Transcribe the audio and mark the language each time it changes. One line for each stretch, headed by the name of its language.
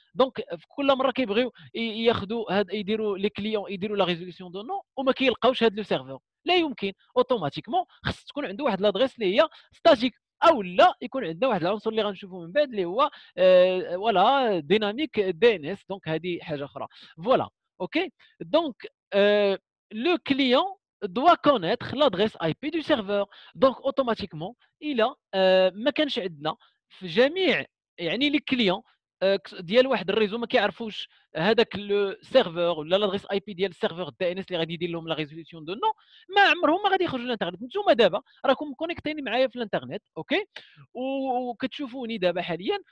Arabic: دونك في كل مره كيبغيو ياخذوا هاد يديروا لي كليون يديروا لا ريزولوسيون دو نو وما كيلقاوش هاد لو سيرفور لا يمكن اوتوماتيكمون خص تكون عنده واحد لادريس اللي هي ستاتيك او لا يكون عندنا واحد العنصر اللي غنشوفوه من بعد اللي هو فوالا ديناميك دي ان اس. دونك هذه حاجه اخرى فوالا. اوكي دونك
French: le client doit connaître l'adresse IP du serveur. Donc, automatiquement, il a,
Arabic: ما كانش عندنا في جميع يعني لي كليون ديال واحد الريزو ما كيعرفوش هذاك لو سيرفور ولا لادريس اي بي ديال السيرفور الدي ان اس اللي غادي يدير لهم لا ريزوليسيون دو نو، ما عمرهم ما غادي يخرجوا للانترنت. نتوما دابا راكم كونيكتيني معايا في الانترنت، اوكي، وكتشوفوني دابا حاليا.